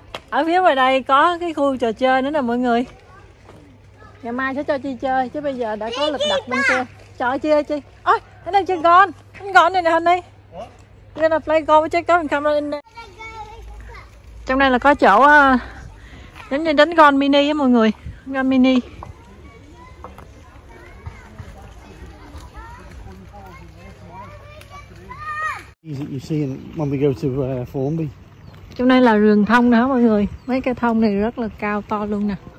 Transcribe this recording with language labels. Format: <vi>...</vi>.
<vi>Ở phía ngoài đây có cái khu trò chơi nữa nè mọi người. Ngày mai sẽ cho Chi chơi, chứ bây giờ đã có lịch đặt bên kia. Chờ Chi ơi Chi. Ôi, anh đang chơi golf. Anh golf này nè anh đi.</vi> <en>You're gonna play golf with your camera in there.</en> <vi>Trong đây là có chỗ giống như đánh golf mini á mọi người. Golf mini.</vi> <en>You see when we go to Formby.</en> <vi>Trong đây là rừng thông nè mọi người. Mấy cây thông này rất là cao to luôn nè.</vi>